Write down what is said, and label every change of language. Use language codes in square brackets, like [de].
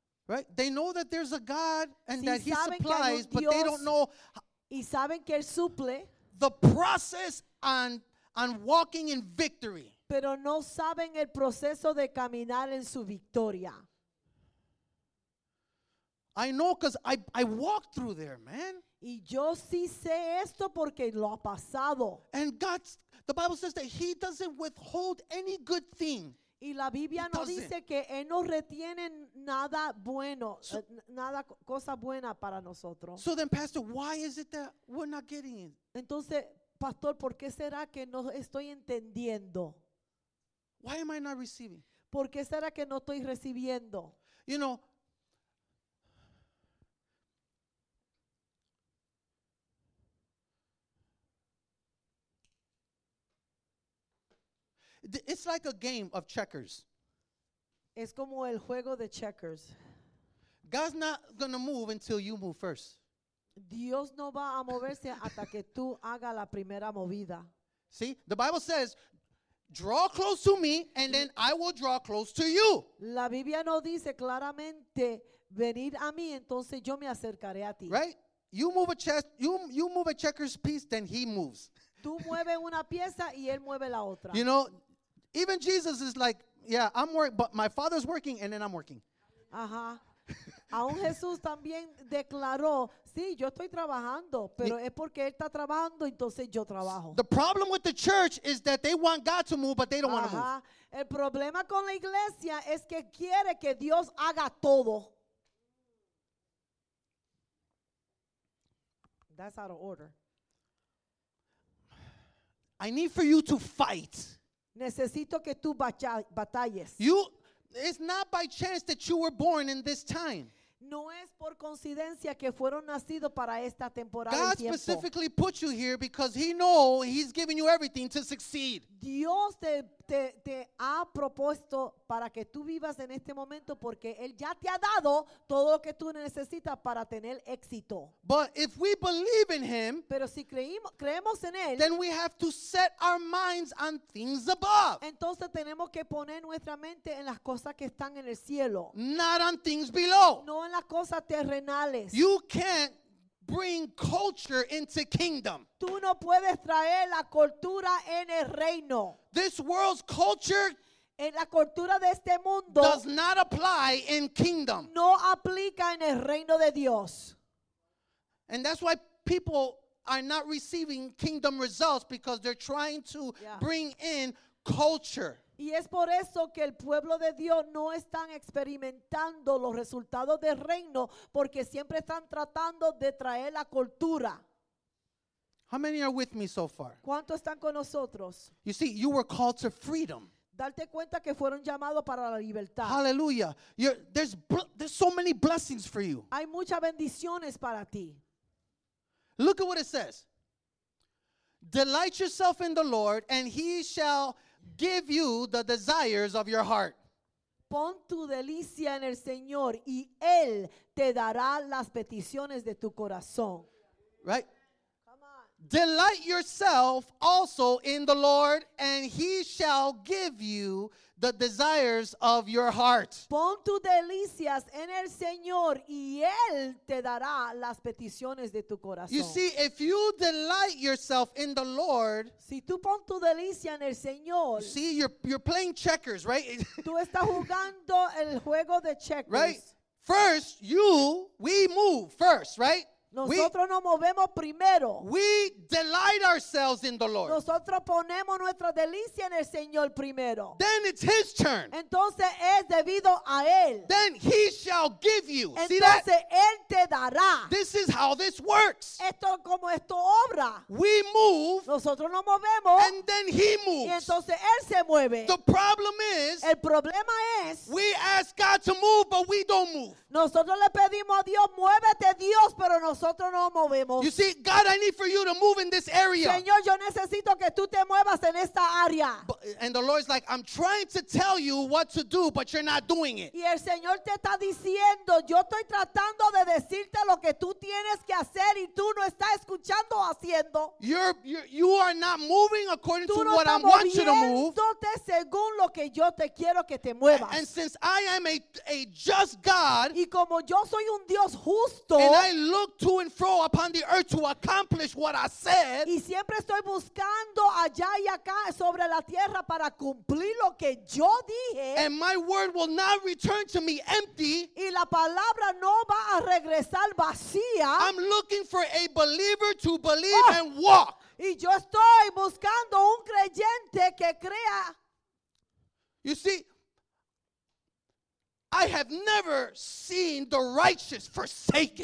[en] Right? They know that there's a God and that he supplies, but they don't know. [es] Y saben que él suple. [en] The process on walking in victory. [es] Pero no saben el proceso de caminar en su victoria. [en] I know because I walked through there, man. [es] Y yo sí sé esto porque lo ha pasado. [en] And God's, the Bible says that he doesn't withhold any good thing. [es] Y la Biblia no dice que él no retiene nada bueno, nada cosa buena para nosotros. [en] So then, Pastor, why is it that we're not getting it? [es] Entonces, Pastor, ¿por qué será que no estoy entendiendo? [en] Why am I not receiving? [es] ¿Por qué será que no estoy recibiendo? [en] You know, It's like a game of checkers. [es] Es como el juego de checkers. [en] God's not going to move until you move first. [es] Dios no va a moverse hasta que tú haga la primera movida. [en] See, the Bible says, draw close to me and then I will draw close to you. [es] La Biblia no dice claramente, venid a mí, entonces yo me acercaré a ti. [en] Right? You move a checkers piece, then he moves. [es] Tú mueves una pieza y él mueve la otra. [en] You know, even Jesus is like, yeah, I'm working, but my father's working and then I'm working. Ajá. [es] Aún Jesús también declaró, sí, yo estoy trabajando, pero es porque él está trabajando, entonces yo trabajo. [en] The problem with the church is that they want God to move, but they don't want to move. [es] El problema con la iglesia es que quiere que Dios haga todo. [en] That's out of order. I need for you to fight. [es] Necesito que tú batalles. [en] It's not by chance that you were born in this time. [es] No es por coincidencia que fueron nacidos para esta temporada. [en] God specifically put you here because he knows he's giving you everything to succeed. [es] Dios te ha propuesto para que tú vivas en este momento porque él ya te ha dado todo lo que tú necesitas para tener éxito. [en] But if we believe in him, [es] pero si creemos en él, [en] then we have to set our minds on things above. [es] Entonces tenemos que poner nuestra mente en las cosas que están en el cielo. [en] Not on things below. [es] No en las cosas terrenales. [en] You can't bring culture into kingdom. [es] Tú no puedes traer la cultura en el reino. [en] This world's culture, [es] en la cultura de este mundo, [en] does not apply in kingdom. [es] No aplica en el reino de Dios. [en] And that's why people are not receiving kingdom results because they're trying to bring in culture. [es] Y es por eso que el pueblo de Dios no están experimentando los resultados del reino porque siempre están tratando de traer la cultura. [en] How many are with me so far? [es] ¿Cuántos están con nosotros? [en] You see, you were called to freedom. [es] Darte cuenta que fueron llamados para la libertad. [en] Hallelujah. There's so many blessings for you. [es] Hay muchas bendiciones para ti. [en] Look at what it says. Delight yourself in the Lord and he shall give you the desires of your heart. [es] Pon tu delicia en el Señor y él te dará las peticiones de tu corazón. [en] Right? Delight yourself also in the Lord, and he shall give you the desires of your heart. [es] Pon tus delicias en el Señor, y él te dará las peticiones de tu corazón. [en] You see, if you delight yourself in the Lord, [es] si tú pon tu delicia en el Señor, [en] you see, you're playing checkers, right? [es] Tú estás jugando el juego de checkers. [en] Right? First, we move first, right? [es] Nosotros nos movemos primero. [en] We delight ourselves in the Lord. [es] Nosotros ponemos nuestra delicia en el Señor primero. [en] Then it's his turn. [es] Entonces es debido a él. [en] Then he shall give you. [es] Entonces [en] see that? [es] Él te dará. [en] This is how this works. [es] Esto como esto obra. [en] We move. [es] Nosotros nos movemos. [en] And then he moves. [es] Y entonces él se mueve. [en] The problem is. [es] El problema es. [en] We ask God to move, but we don't move. [es] Nosotros le pedimos a Dios, muévete Dios, pero nosotros no movemos. [en] You see, God, I need for you to move in this area. [es] Señor, yo necesito que tú te muevas en esta área. [en] And the Lord's like, I'm trying to tell you what to do, but you're not doing it. [es] Y el Señor te está diciendo, yo estoy tratando de decirte lo que tú tienes que hacer y tú no estás escuchando o haciendo. [en] You are not moving according [es] tú [en] to [es] no [en] what I want you to move. [es] Tú no estás moviéndote según lo que yo te quiero que te muevas. [en] And since I am a just God, [es] y como yo soy un Dios justo, [en] and I look to and fro upon the earth to accomplish what I said, [es] y siempre estoy buscando allá y acá sobre la tierra para cumplir lo que yo dije, [en] and my word will not return to me empty, [es] y la palabra no va a regresar vacía, [en] I'm looking for a believer to believe and walk. [es] Y yo estoy buscando un creyente que crea. [en] You see, I have never seen the righteous forsaken.